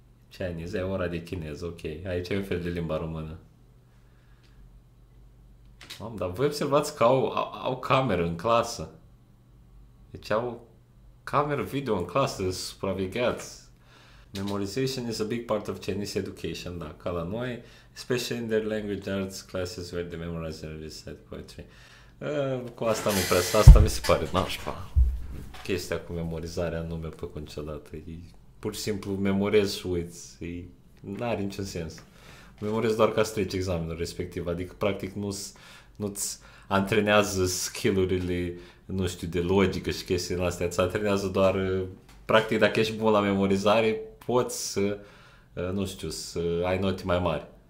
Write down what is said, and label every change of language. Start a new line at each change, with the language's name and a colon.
Romanian: Chinese, e ora de chineză, ok. Aici e un fel de limba română. Mamă, dar voi observați că au cameră în clasă. Deci au... Camera video în clasă, supravegheați.
English: Memorization is a big part of Chinese education,
Romanian: da, ca la noi.
English: Especially in their language arts classes where they memorize and recite poetry.
Romanian: Cu asta nu prea, asta mi se pare nașpa. Chestia cu memorizarea nu mi-a plăcut niciodată. Pur și simplu memorez și uiți. N-are niciun sens. Memorez doar ca să treci examenul respectiv. Adică, practic, nu-ți antrenează skill-urile, nu știu, de logică și chestii din astea, îți antrenează doar, practic, dacă ești bun la memorizare, poți să, nu știu, să ai note mai mari.